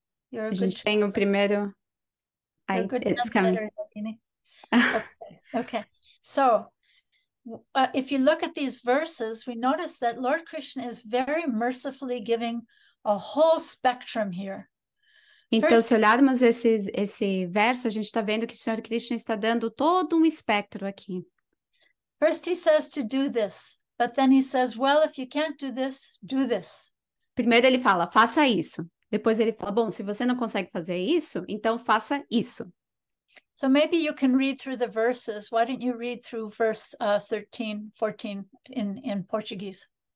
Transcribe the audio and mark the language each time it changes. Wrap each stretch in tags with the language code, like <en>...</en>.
<en>You're a good translator.</en> <pt>A gente tem o primeiro.</pt> <en>You're a good translator, Rukmini. Okay. So if you look at these verses, we notice that Lord Krishna is very mercifully giving a whole spectrum here.</en> <pt>Então, se olharmos esse verso, a gente está vendo que o Senhor Krishna está dando todo um espectro aqui.</pt> <en>First he says to do this, but then he says, well, if you can't do this, do this.</en> <pt>Primeiro ele fala, faça isso. Depois ele fala, bom, se você não consegue fazer isso, então faça isso.</pt> <en>So maybe you can read through the verses. Why don't you read through verse 13, 14 in Portuguese?</en>